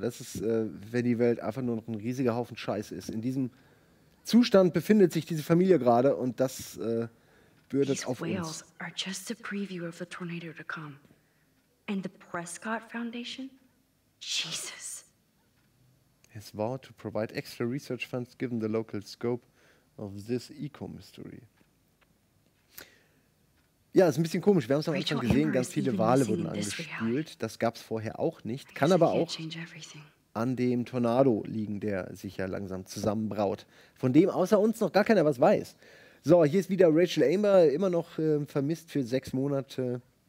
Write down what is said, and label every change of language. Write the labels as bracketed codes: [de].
[de] Das ist, wenn die Welt einfach nur noch ein riesiger Haufen Scheiß ist. In diesem Zustand befindet sich diese Familie gerade und das bürdet auf uns. [en] Whales are just a preview of the tornado to come. And the Prescott Foundation? Jesus. His vow to provide extra research funds given the local scope of this eco-mystery. [de] Ja, ist ein bisschen komisch. Wir haben es am Anfang gesehen, ganz viele Wale wurden angespült. Das gab es vorher auch nicht. Kann aber auch an dem Tornado liegen, der sich ja langsam zusammenbraut. Von dem außer uns noch gar keiner was weiß. So, hier ist wieder Rachel Amber, immer noch vermisst für 6 Monate.